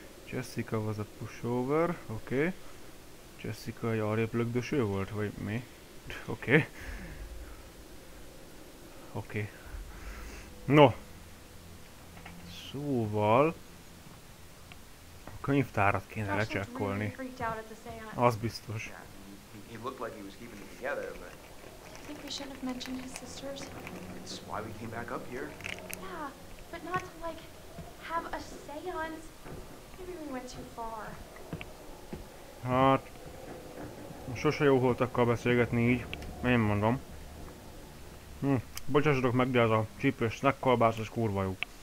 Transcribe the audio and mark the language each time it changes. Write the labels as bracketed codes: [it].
[en] Jessica was a pushover, oké. Okay. [hu] Jessica egy arrébb lögdöső volt, vagy mi? Oké. Oké. No. Szóval... A könyvtárat kéne lecsekkolni. Az biztos. [en] He looked like he was keeping it together, but... I think we shouldn't have mentioned his sisters. That's why we came back up here. Yeah, but not to, like, have a seance. Maybe we went too far. [hu] Hát... Sose jó voltakkal beszélgetni így. Én mondom. Bocsássatok meg, de ez a csípős snack kolbászos kurva jó.